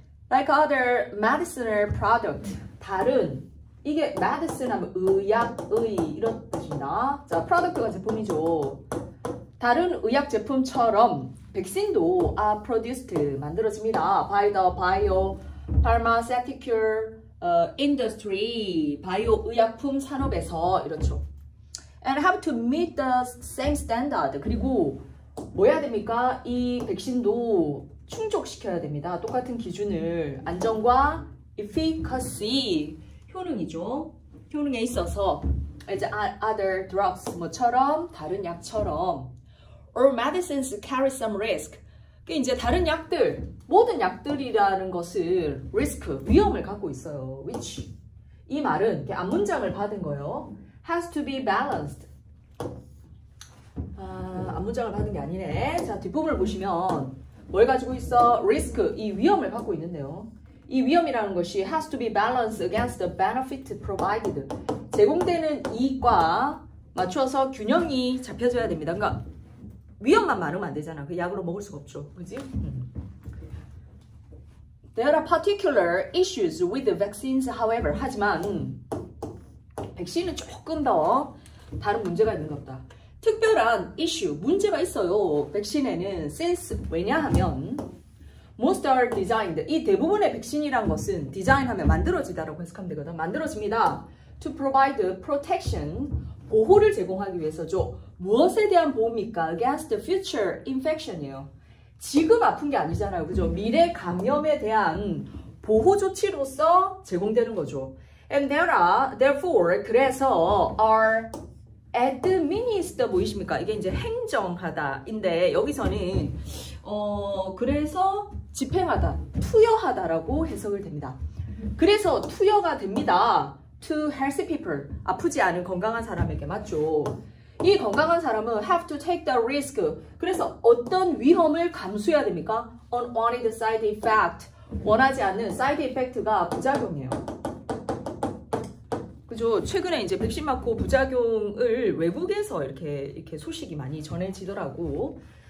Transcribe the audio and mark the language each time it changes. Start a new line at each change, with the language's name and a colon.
English: Like other medicinal product,
Korean: 다른 이게 medicine 하면 의약, 의 이런 뜻입니다. 자, product가 제품이죠. 다른 의약 제품처럼 백신도 are produced 만들어집니다.
English: By the bio pharmaceutical industry,
Korean: 바이오 의약품 산업에서 이렇죠.
English: And have to meet the same standard.
Korean: 그리고 뭐 해야 됩니까? 이 백신도 충족시켜야 됩니다. 똑같은 기준을 안전과 efficacy 효능이죠. 효능에 있어서
English: as other drugs
Korean: 뭐처럼 다른 약처럼
English: or medicines carry some risk.
Korean: 그 이제 다른 약들, 모든 약들이라는 것을 risk, 위험을 갖고 있어요. which 이 말은 이렇게 앞문장을 받은 거예요.
English: has to be balanced.
Korean: 아, 앞문장을 받은 게 아니네. 자, 뒷부분을 보시면 뭘 가지고 있어? risk, 이 위험을 갖고 있는데요. 이 위험이라는 것이
English: has to be balanced against the benefit provided.
Korean: 제공되는 이익과 맞춰서 균형이 잡혀져야 됩니다. 그러니까 위험만 많으면 안 되잖아. 그 약으로 먹을 수가 없죠. 그지?
English: There are particular issues with the vaccines, however.
Korean: 하지만 백신은 조금 더 다른 문제가 있는 것 같다. 특별한 issue, 문제가 있어요. 백신에는
English: since,
Korean: 왜냐하면
English: most are designed.
Korean: 이 대부분의 백신이란 것은 디자인하면 만들어지다라고 해석하면 되거든. 만들어집니다.
English: To provide protection.
Korean: 보호를 제공하기 위해서죠. 무엇에 대한 보호입니까?
English: Against the future infection이에요.
Korean: 지금 아픈 게 아니잖아요. 그죠? 미래 감염에 대한 보호 조치로서 제공되는 거죠.
English: And there are, therefore,
Korean: 그래서
English: are administered,
Korean: 보이십니까? 이게 이제 행정하다인데, 여기서는, 그래서 집행하다, 투여하다라고 해석을 됩니다. 그래서 투여가 됩니다.
English: To healthy people,
Korean: 아프지 않은 건강한 사람에게 맞죠. 이 건강한 사람은
English: have to take the risk.
Korean: 그래서 어떤 위험을 감수해야 됩니까?
English: Unwanted side effect.
Korean: 원하지 않는 side effect가 부작용이에요. 그죠? 최근에 이제 백신 맞고 부작용을 외국에서 이렇게 소식이 많이 전해지더라고.